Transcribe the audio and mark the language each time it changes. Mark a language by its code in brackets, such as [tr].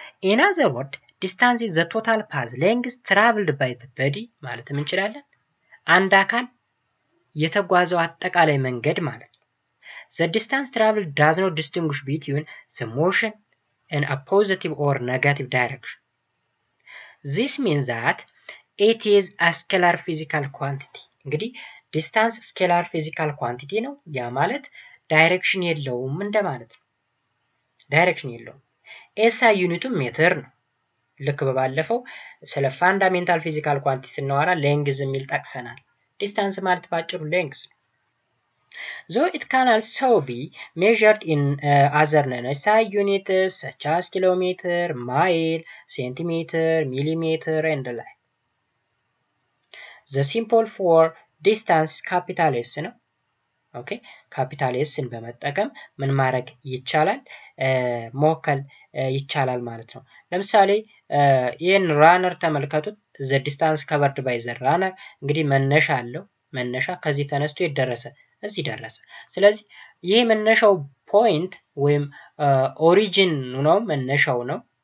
[en] In other words, distance is the total path length traveled by the body, [am] ማለትም እንችላለን። አንድ አካል የተጓዘው አጠቃላይ መንገድ ማለት ነው። [en] The distance traveled does not distinguish between the motion in a positive or negative direction. This means that it is a scalar physical quantity. [am] እንግዲህ distance scalar physical quantity ነው። ያ ማለት direction የለውም እንደማለት ነው። direction የለውም SI unitu meter ነው። ልክ በባለፈው ስለ fundamental physical quantity ስናወራ length የሚል ጠቅሰናል። distance ማለት ባጭሩ length ነው። [en] So it can also be measured in other SI units such as kilometer, mile, centimeter, millimeter and the like. The symbol for distance capital S [am] ነው። ኦኬ ካፒታል ኤስን በመጠቀም ምን ማድረግ ይቻላል ሞከል ይቻላል ማለት ነው። ለምሳሌ ይሄን ራነር ተመልከቱት። [en] ዘ ዲስታንስ ካቨርድ ባይ ዘ ራነር [am] እንግዲህ መነሻ አለው። መነሻ ከዚህ ተነስቶ ይደረሰ እዚህ ደረሰ። ስለዚህ ይሄ መነሻው ፖይንት ወይም ኦሪጂን ነው መነሻው ነው።